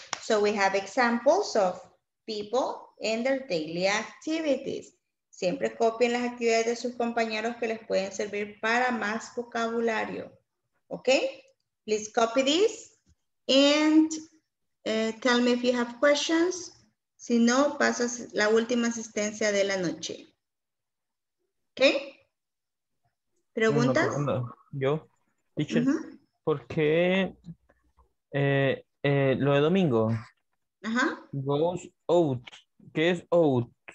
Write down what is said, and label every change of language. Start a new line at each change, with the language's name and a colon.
English: So we have examples of people and their daily activities.
Spanish: Siempre copien las actividades de sus compañeros que les pueden servir para más vocabulario.
English: Okay? Please copy this and tell me if you have questions.
Spanish: Si no, pasas la última asistencia de la noche. Okay? ¿Preguntas? Yo, teacher. ¿Por qué lo de domingo?
English: Goes out.
Spanish: ¿Qué es
English: out?